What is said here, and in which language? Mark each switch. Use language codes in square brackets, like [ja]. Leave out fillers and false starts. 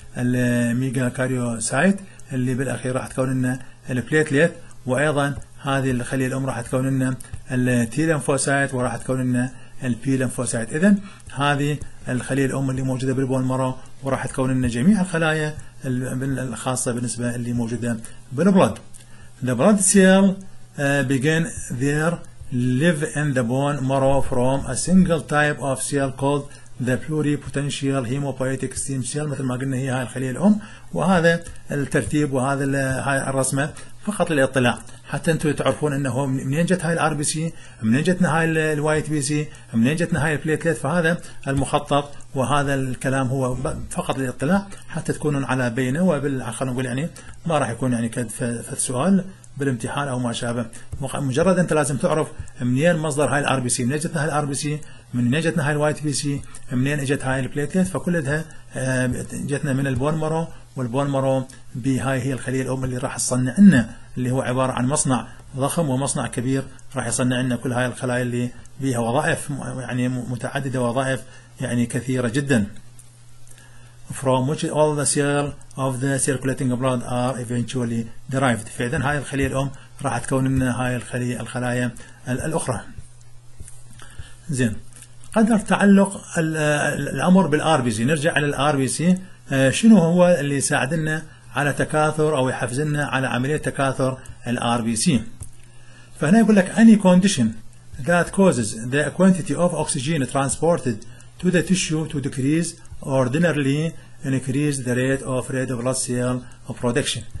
[ar] الميجا كاريوسايت اللي بالاخير راح تكون لنا البليتليت، وايضا هذه الخليه الام راح تكون لنا التي لنفوسايت، وراح تكون لنا البي لنفوسايت. اذا هذه الخليه الام اللي موجوده بالبون مارو، وراح تكون لنا جميع الخلايا الخاصه بالنسبه اللي موجوده بالبلد. [en] The blood cell begin their live in the bone marrow from a single type of cell called the pluripotential hemopoietic stem cell. [ar] مثل ما قلنا هي هاي الخلية الأم، وهذا الترتيب وهذا هاي الرسمة فقط للإطلاع حتى أنتم تعرفون أنه منين جت هاي الار بي سي، منين جتنا هاي الوايت بي سي، منين جتنا هاي البليتليت. فهذا المخطط وهذا الكلام هو فقط للإطلاع حتى تكونون على بينة، وبالآخر نقول يعني ما راح يكون يعني كد سؤال بالامتحان او ما شابه. مجرد انت لازم تعرف منين مصدر هاي الار بي سي، منين جتنا هاي الار بي سي، منين جتنا هاي الوايت بي سي، منين اجت هاي البليتليت، فكلها جتنا من البون مارو، والبون مارو بهاي هي الخليه الام اللي راح تصنع لنا، اللي هو عباره عن مصنع ضخم ومصنع كبير راح يصنع لنا كل هاي الخلايا اللي بها وظائف يعني متعدده وظائف يعني كثيره جدا. [en] From which all the cell of the circulating blood are eventually derived. [ar] فإذا هاي الخلية الأم راح تكون لنا هاي الخلية الخلايا الأخرى. زين، قدر تعلق الأمر بالآر بي سي، نرجع للآر بي سي، شنو هو اللي يساعد لنا على تكاثر أو يحفز لنا على عملية تكاثر الآر بي سي؟ فهنا يقول لك [en] any condition that causes the quantity of oxygen transported to the tissue to decrease ordinarily increase the rate of red blood cell production.